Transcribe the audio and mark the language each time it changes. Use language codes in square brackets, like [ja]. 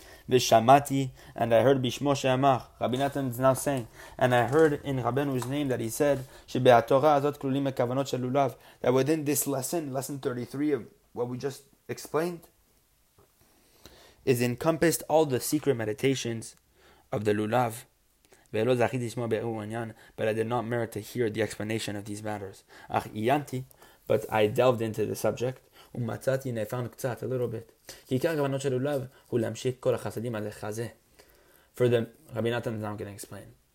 [he] Vishamati, [en] and I heard [he] Bishmo Sheamar, [en] Rabbi Nathan is now saying, and I heard in Rabbeinu's name that he said, that within this lesson 33 of what we just explained, is encompassed all the secret meditations of the Lulav. But I did not merit to hear the explanation of these matters. But I delved into the subject. [he] ומצאתי נפרנו קצת, [en] a little bit. [he] כי עיקר הכוונות של לולב הוא להמשיך כל החסדים על החזה. [en] For the, Rabbi Nathan is now going to explain.